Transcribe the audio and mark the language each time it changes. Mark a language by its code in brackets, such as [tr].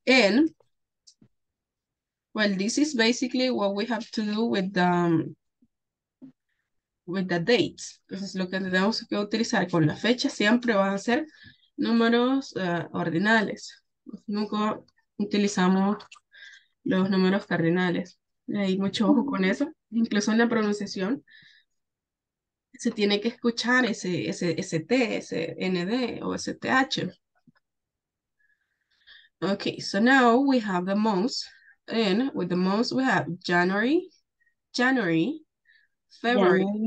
[en] And, well, this is basically what we have to do with the dates. [es] Entonces lo que tenemos que utilizar con la fecha siempre van a ser números ordinales. Nunca utilizamos los números cardinales. Hay mucho ojo con eso. Incluso en la pronunciación se tiene que escuchar ese T, ese ND o ese TH. [en] Okay, so now we have the months. And with the months we have January, February.